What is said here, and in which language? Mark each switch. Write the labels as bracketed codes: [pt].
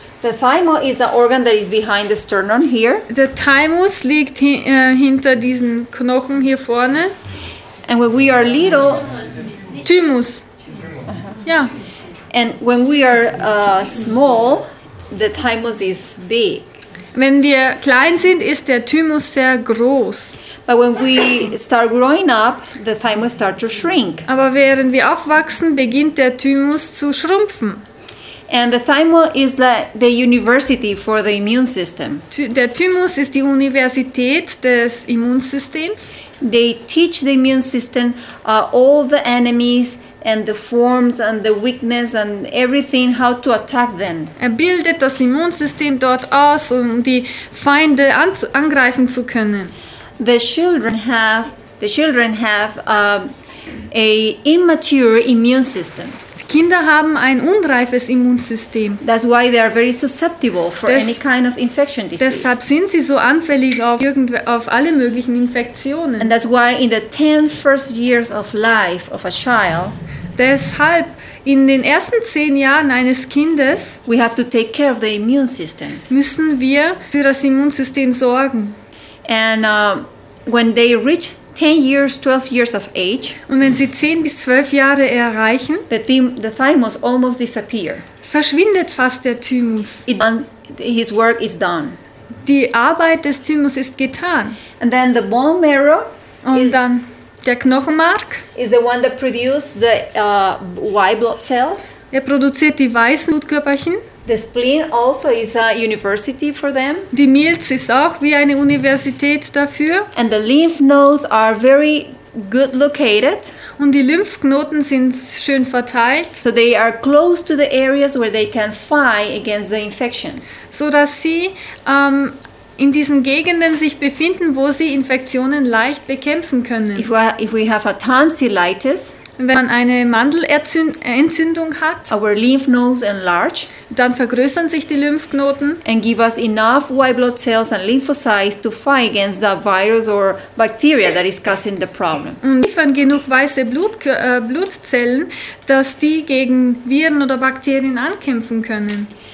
[en] The thymus is the organ that is behind the sternum here. [de] Der Thymus liegt hinter diesen Knochen hier vorne. [en] And when we are little, Thymus. Uh-huh. Yeah. And when we are small, the thymus is big. [de] Wenn wir klein sind, ist der Thymus sehr groß. [en] But when we start growing up, the thymus starts to shrink. [de] Aber während wir aufwachsen, beginnt der Thymus zu schrumpfen. [en] And the thymus is like the university for the immune system. [de] Der Thymus ist die Universität des Immunsystems. [en] They teach the immune system all the enemies and the forms and the weakness and everything, how to attack them. [de] Er bildet das Immunsystem dort aus, um die Feinde angreifen zu können. [en] The children have a immature immune system. [de] Kinder haben ein unreifes Immunsystem. [en] That's why they are very susceptible for any kind of infection disease. [de] Deshalb sind sie so anfällig auf alle möglichen Infektionen. [en] And that's why in the 10 first years of life of a child, [de] deshalb in den ersten 10 Jahren eines Kindes, [en] we have to take care of the immune system. [de] Müssen wir für das Immunsystem sorgen. [en] And when they reach 10 years, 12 years of age. [de] Und wenn sie 10 bis 12 Jahre erreichen, [en] the thymus almost disappear. [de] Verschwindet fast der Thymus. [en] His work is done. [de] Die Arbeit des Thymus ist getan. [en] And then the bone marrow. [de] Und dann der Knochenmark. [en] Is the one that produces the white blood cells. [de] Er produziert die weißen Blutkörperchen. [en] The spleen also is a university for them. [de] Die Milz ist auch wie eine Universität dafür. [en] And the lymph nodes are very good located. [de] Und die Lymphknoten sind schön verteilt. [en] So they are close to the areas where they can fight against the infections. [de] So dass sie in diesen Gegenden sich befinden, wo sie Infektionen leicht bekämpfen können. [en] If we have a tonsillitis. [de] Wenn man eine Mandelentzündung hat, [en] our lymph nodes enlarge, [de] dann vergrößern sich die Lymphknoten [en] and give us enough white blood cells and lymphocytes to fight against the virus or bacteria that is causing the problem. [de] Und liefern genug weiße Blutzellen, dass die gegen Viren oder Bakterien ankämpfen können.